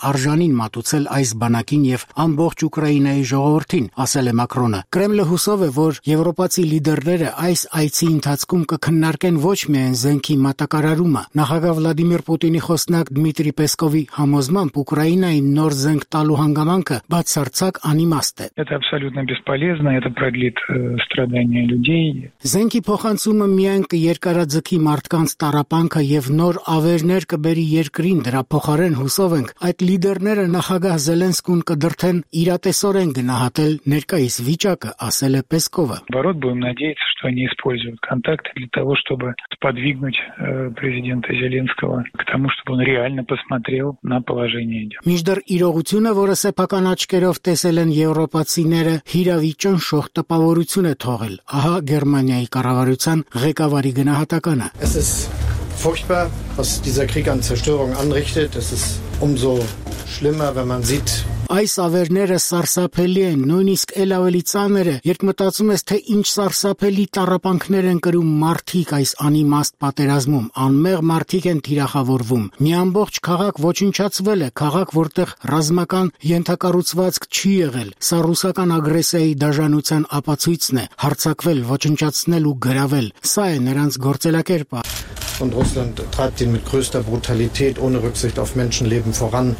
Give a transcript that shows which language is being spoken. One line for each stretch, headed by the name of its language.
Armenian: արժանին մատուցել այս բանակին եւ ամբողջ Ուկրաինայի ժողովրդին, ասել է Մակրոնը։ Կրեմլը հուսով է, որ եվրոպացի լիդերները այս այցի ընթացքում կքննարկեն ոչ միայն զենքի մատակարարումը։ Նախագահ Վլադիմիր Պուտինի խոսնակ Դմիտրի Պեսկովի համոզմամբ Ուկրաինայի նոր զենք տալու հանգամանքը բացարձակ անիմաստ է։ Զենքի փոխանցումը միայն կերկարաձգի մարդկանց տարապանքը եւ նոր ավերներ կբերի երկրին, դրա փոխարեն հուսով ենք, այդ լիդերները նախագահ Զելենսկուն կդրթեն իրատեսորեն գնահատել ներկայիս վիճակը, ասել է Պեսկովը։
Russian: Они используют контакты для того, чтобы сподвигнуть президента Зеленского к тому, чтобы он реально посмотрел на положение дел.
Armenian: Միջդեռ իրողությունը, որը սեփական աչքի ուսերով տեսել են եվրոպացիները, հիրավիճան շոգ տպավորություն է թողել, ահա Գերմանիայի կառավարության ղեկավարի գնահատականը.
German: Furchtbar, was dieser Krieg an Zerstörung anrichtet. Das ist umso schlimmer, wenn man sieht.
Armenian: Այս ավերները սարսափելի են, նույնիսկ էլ ավելի ծանրը, երբ մտածում ես, թե ինչ սարսափելի տառապանքներ են կրում մարդիկ այս անիմաստ պատերազմում, անմեղ մարդիկ են թիրախավորվում, մի ամբողջ քաղաք ոչնչացվել է, քաղաք, որտեղ ռազմական ենթակառուցվածք չի եղել, սա ռուսական ագրեսիայի դաժանության ապացույցն է, հարձակվել, ոչնչացնել ու գրավել, սա է նրանց գործելակերպը.
German: Und Russland treibt ihn mit größter Brutalität ohne Rücksicht auf Menschenleben voran.